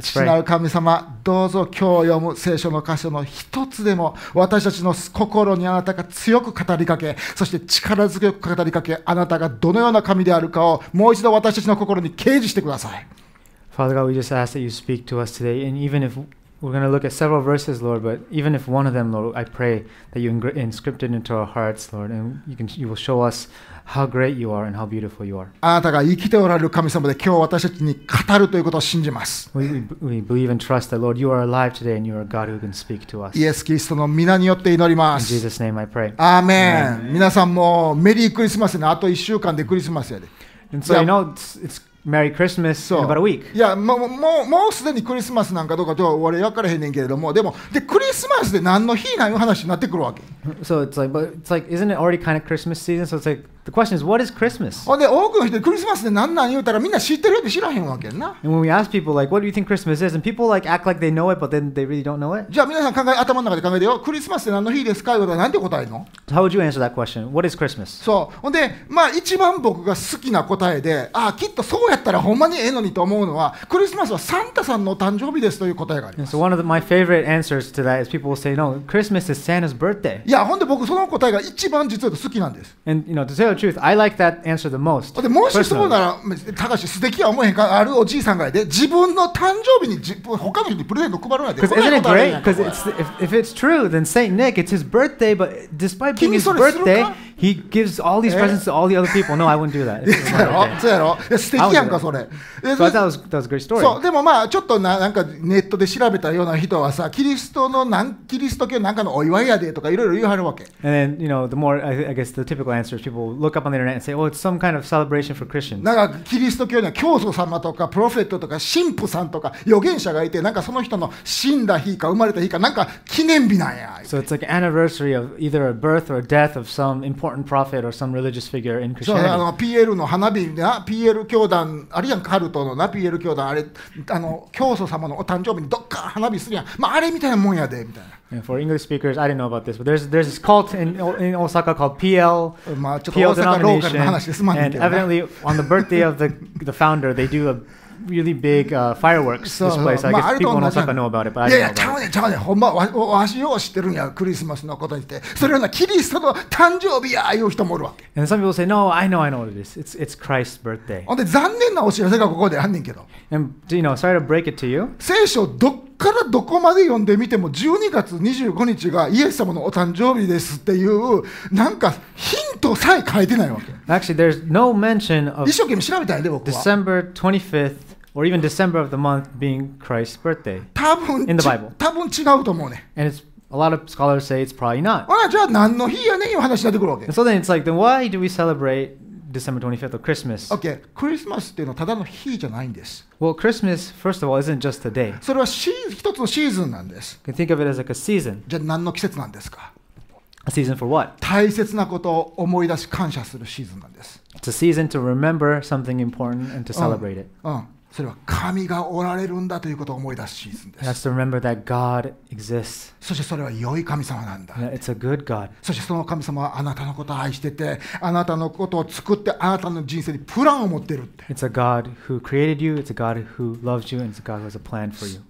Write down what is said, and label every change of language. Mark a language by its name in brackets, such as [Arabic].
[Japanese] 父なる神様、どうぞ今日読む聖書の箇所の一つでも私たちの心にあなたが強く語りかけ、そして力強く語りかけ、あなたがどのような神であるかをもう一度私たちの心に啓示してください。 [English] Father God, we just ask that you speak to us today, and even if we're going to look at several verses, Lord, but even if one of them, Lord, I pray that you inscript it into our hearts, Lord, and you will show us how great you are and how beautiful you are. [Japanese] あなたが生きておられる神様で今日私たちに語るということを信じます。 [English] We believe and trust that, Lord, you are alive today and you are a God who can speak to us. [Japanese] イエス・キリストの名によって祈ります。 [English] In Jesus' name I pray. [Japanese] アーメン。皆さんもメリークリスマスね。あと1週間でクリスマスやで。 [English] And so, you know, it's Merry Christmas in about a week. [Japanese] いや、もうすでにクリスマスなんかどうかとは俺分からへんねんけれども、でも、で、クリスマスで何の日なんいう話になってくるわけ。 [English] So it's like, but it's like, isn't it already kind of Christmas season? So it's like, the question is, what is Christmas? [Japanese] ほんで、多くの人、クリスマスで何なん言うたらみんな知ってるって知らへんわけな。 [English] And when we ask people, like, what do you think Christmas is? And people, like, act like they know it, but then they really don't know it. [Japanese] じゃあ皆さん考え、頭の中で考えてよ。クリスマスで何の日ですかいうことは何て答えの？ [English] So how would you answer that question? What is Christmas? [Japanese] そう。ほんで、まあ、一番僕が好きな答えで、あ、きっとそうやだったらほんまにええのにと思うのは、クリスマスはサンタさんの誕生日ですという答えがあります。 [English] So one of my favorite answers to that is people will say, no, Christmas is Santa's birthday. [Japanese] いや、ほんで僕その答えが一番実は好きなんです。 [English] And you know, to tell the truth, I like that answer the most. [Japanese] でもしそうなら、たかし素敵や思えへんか、あるおじいさんがいて、自分の誕生日に他の人にプレゼント配るなんて、 [English] Because isn't it great? Because if it's true, then Saint Nick, it's his birthday, but despite being his birthday, he gives all these presents to all the other people. No, I wouldn't do that. [Japanese] そうやろ、素敵やんかそれ。 [English] So I thought that was a great story. [Japanese] そう、でもまあちょっと なんかネットで調べたような人はさ、キリストのなん、キリスト教なんかのお祝いやでとかいろいろ言われるわけ。 [English] And then, you know, the more, I guess the typical answer is people look up on the internet and say, oh, it's some kind of celebration for Christians. [Japanese] なんかキリスト教には教祖様とかプロフェットとか神父さんとか預言者がいて、なんかその人の死んだ日か生まれた日かなんか記念日なんや。 [English] So it's like an anniversary of either a birth or a death of some importantprophet or some religious figure in Christianity. [Japanese] そう、あの PL の花火な、PL 教団あるやん、カルトのな、PL 教団あれ、あの教祖様のお誕生日にどっか花火するやん、まああれみたいなもんやでみたいな。 [English] And for English speakers, I didn't know about this, but there's this cult in Osaka called PL, PL denomination, and evidently on the birthday of the founder, they do a really big fireworks display. So I guess people in Osaka know about it, but I don't know about it. Yeah, yeah, yeah, yeah, yeah. [Japanese] ほんま、わしよう知ってるんや、クリスマスのことにて。それはな、キリストの誕生日やいう人もおるわけ。 [English] And some people say, no, I know what it is. It's Christ's birthday. [Japanese] ほんで、残念なお知らせがここであんねんけど。 [English] And, you know, sorry to break it to you. [Japanese] 聖書どっからどこまで読んでみても12月25日がイエス様のお誕生日ですっていうなんかヒントさえ書いてないわけ。 [English] Actually, there's no mention of [Japanese] 一生懸命調べたんやで僕は [English] December 25th or even December of the month being Christ's birthday [Japanese] 多分 [English] in the Bible. [Japanese] 多分違うと思うね。 [English] And it's a lot of scholars say it's probably not. [Japanese] じゃあ何の日やねんいう話になってくるわけ。 [English] So then it's like, then why do we celebrate December 25th or Christmas? [Japanese] Okay, Christmas っていうのはただの日じゃないんです。 [English] Well, Christmas, first of all, isn't just a day. [Japanese] それは一つのシーズンなんです。 [English] You can think of it as like a season. [Japanese] じゃあ何の季節なんですか？ [English] A season for what? [Japanese] 大切なことを思い出し感謝するシーズンなんです。 [English] It's a season to remember something important and to celebrate it. [Japanese] それは神がおられるんだということを思い出すシーズンです。 [English] That's to remember that God exists. [Japanese] そしてそれは良い神様なんだ。 [English] Yeah, it's a good God. [Japanese] そしてその神様はあなたのことを愛してて、あなたのことを作って、あなたの人生にプランを持ってるって。 [English] It's a God who created you. It's a God who loves you. And it's a God who has a plan for you.